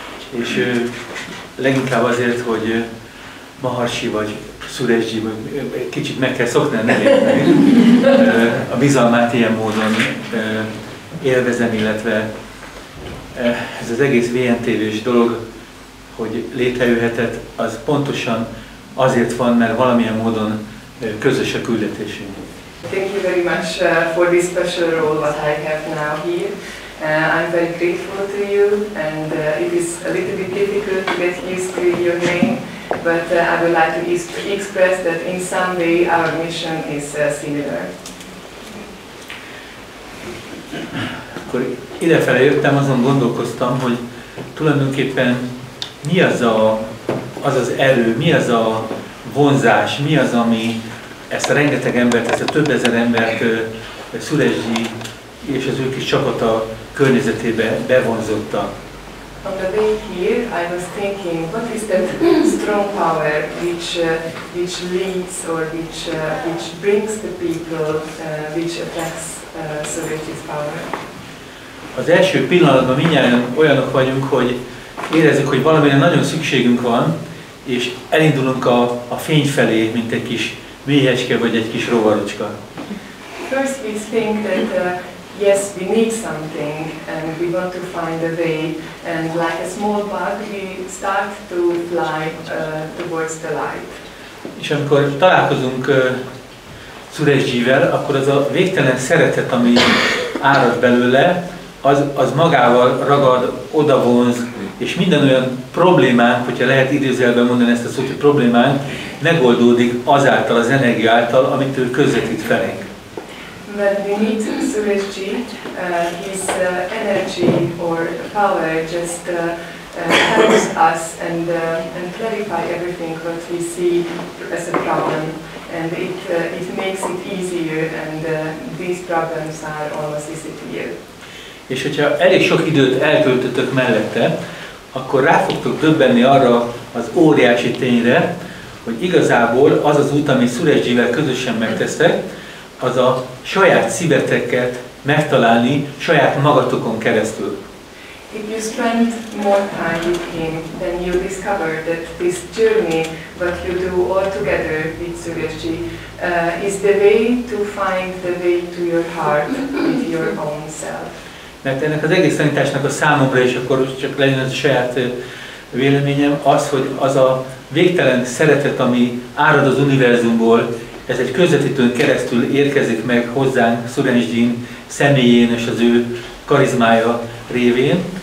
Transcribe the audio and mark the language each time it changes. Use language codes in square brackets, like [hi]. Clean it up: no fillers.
[hu] És leginkább azért, hogy Maharshi vagy Szureszji, vagy kicsit meg kell szokni, nem érteni. A bizalmát ilyen módon élvezem, illetve ez az egész VNTV-s dolog, hogy létrejöhetett, az pontosan azért van, mert valamilyen módon közös a küldetésünk. [en] Thank you very much for this special role what I have now here. I'm very grateful to you and it is a little bit difficult to get used to your name, but I would like to express that in some way our mission is similar. [hu] Akkor idefele jöttem, azon gondolkoztam, hogy tulajdonképpen mi az az erő, mi az a vonzás, mi az, ami ezt a rengeteg embert, ezt a több ezer embert Szureszji és az ő kis csapata környezetébe bevonzotta. [en] On the way here, I was thinking, what is that strong power which leads or which brings the people, which attacks Szureszji's power? [hu] Az első pillanatban mindjárt olyanok vagyunk, hogy érezzük, hogy valamire nagyon szükségünk van, és elindulunk a fény felé, mint egy kis méhecske vagy egy kis rovarocska. [en] First we think that yes, we need something and we want to find a way and like a small bug we start to fly towards the light. [hu] És amikor találkozunk Szureszjivel, akkor az a végtelen szeretet, ami árad belőle, az magával ragad, odavonz, és minden olyan problémánk, hogyha lehet időzelben mondani ezt a szót, hogy problémánk, megoldódik azáltal, az energia által, amit ő közvetít felénk. [en] When we meet Szureszji, his energy or power just helps us and clarify everything what we see as a problem. And it makes it easier and these problems are almost disappear. [hu] És hogyha elég sok időt eltöltötök mellette, akkor rá fogtok döbbenni arra az óriási tényre, hogy igazából az az út, ami Szureszjivel közösen megtesztek, az a saját szíveteket megtalálni saját magatokon keresztül. [en] If you spend more time with him, then you discover that this journey, what you do all together with Szureszji, is the way to find the way to your heart with your own self. [hu] Mert ennek az egész tanításnak a számomra is, akkor csak legyen az a saját véleményem, az, hogy az a végtelen szeretet, ami árad az univerzumból, ez egy közvetítőn keresztül érkezik meg hozzánk Szureszjin személyén és az ő karizmája révén.